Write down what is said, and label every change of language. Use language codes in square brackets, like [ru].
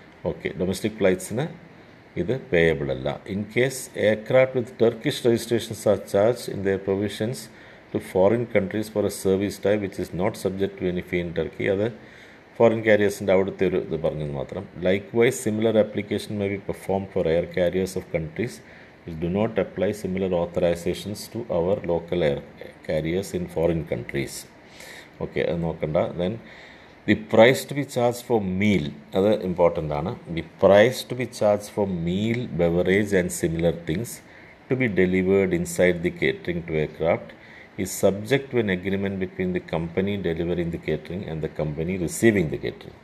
[ml] Okay, domestic ഫ്ലൈറ്റ്സിന് ഇത് payable അല്ല. [en] In case aircraft with Turkish registrations are charge in the provisions to foreign countries for a service type which is not subject to any fee in Turkey. [ml] അത് foreign carriers ൻ്റെ അവിടുത്തെ ഒരു ഇത് പറഞ്ഞെന്ന് മാത്രം. [en] Likewise, similar application may be performed for air carriers of countries which do not apply similar authorizations to our local air carriers in foreign countries. [ml] Okay, അത് നോക്കണ്ട. [en] then the price to be charge for meal, [ml] അത് important ആണ്. [en] The price to be charge for meal, beverage and similar things to be delivered inside the catering to aircraft is subject to an agreement between the company delivering the catering and the company receiving the catering.